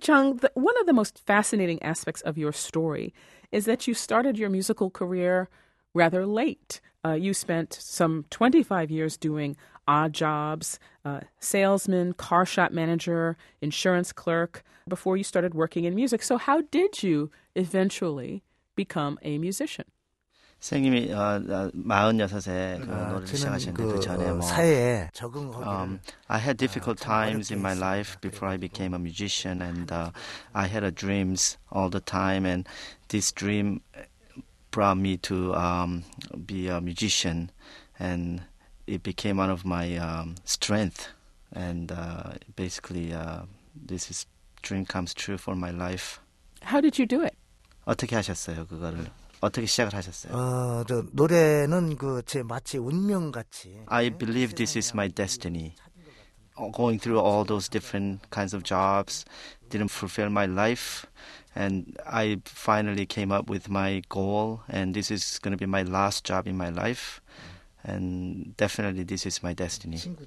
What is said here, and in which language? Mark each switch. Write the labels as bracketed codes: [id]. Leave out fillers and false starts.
[en] Chung, one of the most fascinating aspects of your story is that you started your musical career rather late. You spent some 25 years doing odd jobs, salesman, car shop manager, insurance clerk, before you started working in music. So how did you eventually become a musician? [ko] 선생님이 46세 노래를 시작하셨는데 그 전에 뭐 사회에 [en] I had difficult times in my life before I became a musician, and I had a dreams all the time, and this dream brought me to be a musician, and it became one of my strength, and basically this is dream comes true for my life. How did you do it? [ko] 어떻게 하셨어요 그거를? 어떻게 시작을 하셨어요? 저 노래는 그 제 마치 운명 같이. [en] I believe this is my destiny. Going through all those different kinds of jobs didn't fulfill my life, and I finally came up with my goal, and this is going to be my last job in my life, and definitely this is my destiny.